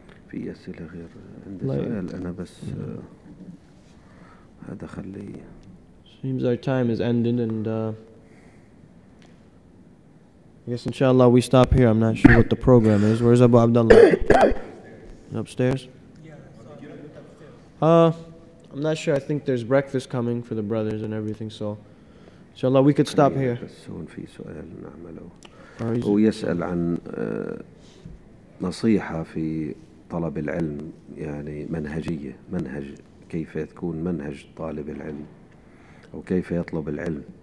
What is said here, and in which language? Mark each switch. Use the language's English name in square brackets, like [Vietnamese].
[Arabic] في أسئلة غير عندي سؤال أنا بس هذا خلي. [English] Seems our time is ending and I guess inshallah we stop here. I'm not sure what the program is. Where's Abu Abdullah? Upstairs? Yeah. I'm not sure. I think there's breakfast coming for the brothers and everything. So inshallah we could stop here. [Arabic] في سؤال نعمله. هو يسأل عن نصيحة في طلب العلم يعني منهجية منهج كيف تكون منهج طالب العلم أو كيف يطلب العلم.